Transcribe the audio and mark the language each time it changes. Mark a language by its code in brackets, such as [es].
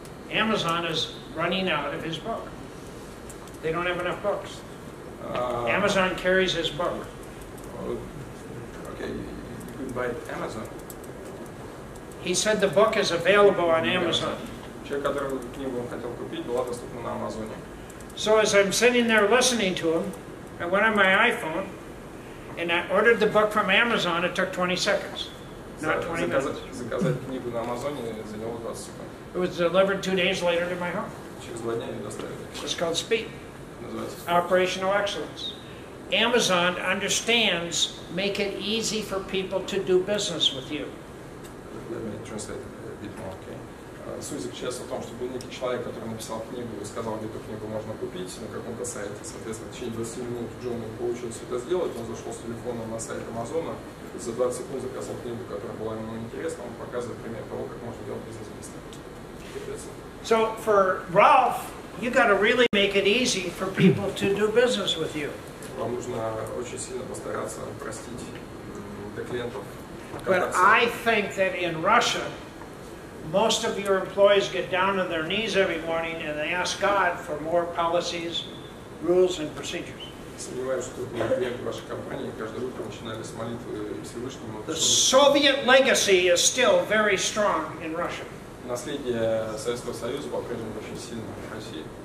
[en] Amazon is running out of his book. They don't have enough books. Amazon carries his book. Okay, you can buy Amazon. He said the book is available on Amazon. [ru] Человек, который книгу хотел купить, была доступна на Амазоне. [en] So as I'm sitting there listening to him, I went on my iPhone and I ordered the book from Amazon. It took 20 seconds, not 20 minutes. [ru] Заказать книгу на Амазоне заняло 20 секунд. [en] It was delivered 2 days later to my home. [ru] Через 2 дня ее доставили. [en] It's called speed. Operational excellence. Amazon understands make it easy for people to do business with you. Let me translate a bit more, okay? [ru] Суть заключается в том, чтобы некий человек, который написал книгу и сказал, где эту книгу можно купить, на каком-то сайте, соответственно, в течение 20 минут Джон получился это сделать, он зашел с телефоном на сайт Амазона, за 20 секунд заказал книгу, которая была ему интересна, он показывает пример того, как можно делать бизнес быстро. [en] So, for Ralph, you got to really make it easy for people to do business with you. [ru] Вам нужно очень сильно постараться простить для клиентов. [en] But I think that in Russia, most of your employees get down on their knees every morning and they ask God for more policies, rules and procedures. The Soviet legacy is still very strong in Russia. [ru] Наследие Советского Союза по-прежнему очень сильно в России.